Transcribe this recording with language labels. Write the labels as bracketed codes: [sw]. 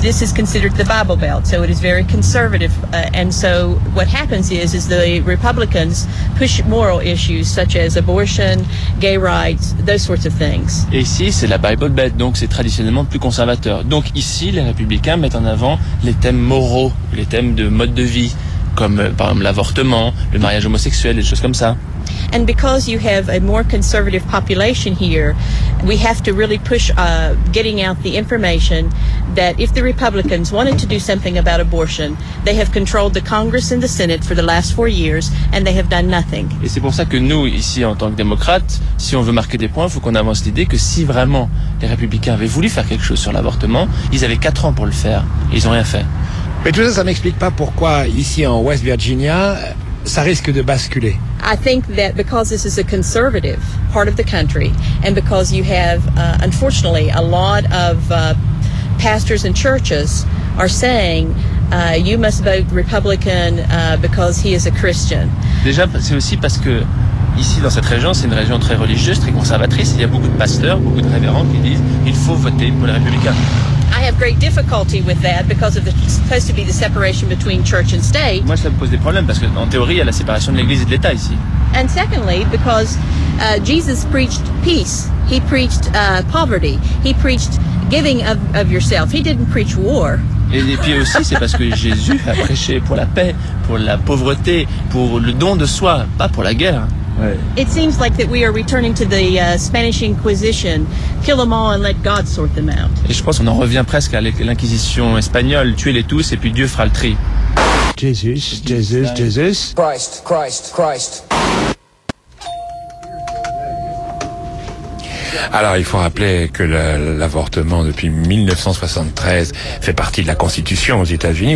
[en] This is considered the Bible Belt, so it is very conservative. And so what happens is the Republicans push moral issues such as abortion, gay rights, those sorts of things. [fr] Et ici, c'est la Bible Belt, donc c'est traditionnellement plus conservateur. Donc ici, les Républicains mettent en avant les thèmes moraux, les thèmes de mode de vie, comme par exemple l'avortement, le mariage homosexuel, des choses comme ça. [en] And because you have a more conservative population here, we have to really push getting out the information that if the Republicans wanted to do something about abortion, they have controlled the Congress and the Senate for the last 4 years, and they have done nothing. [fr] Et c'est pour ça que nous, ici, en tant que démocrates, si on veut marquer des points, il faut qu'on avance l'idée que si vraiment les Républicains avaient voulu faire quelque chose sur l'avortement, ils avaient 4 ans pour le faire. Ils n'ont rien fait. Mais tout ça, ça ne m'explique pas pourquoi, ici, en West Virginia, ça risque de basculer. [en] I think that because this is a conservative part of the country, and because you have, unfortunately, a lot of pastors and churches are saying, you must vote Republican because he is a Christian. [fr] Déjà, c'est aussi parce que ici, dans cette région, c'est une région très religieuse, très conservatrice. Il y a beaucoup de pasteurs, beaucoup de révérends qui disent, il faut voter pour les Républicains. [en] I have great difficulty with that because of the supposed to be the separation between church and state. [fr] Moi, ça me pose des problèmes parce que en théorie, il y a la séparation de l'Église et de l'État ici. [en] And secondly, because Jesus preached peace, he preached poverty, he preached giving of yourself. He didn't preach war. [fr] Et puis aussi, c'est parce que Jésus a prêché pour la paix, pour la pauvreté, pour le don de soi, pas pour la guerre. Ouais. [en] It seems like that we are returning to the Spanish Inquisition. Kill them all and let God sort them out. [fr] Et je pense qu'on en revient presque à l'inquisition espagnole. Tuez-les tous et puis Dieu fera le tri. Jésus, Jésus, Jésus. Jésus. [en] Christ, Christ, Christ. [fr] Alors, il faut rappeler que l'avortement depuis 1973 fait partie de la Constitution aux États-Unis.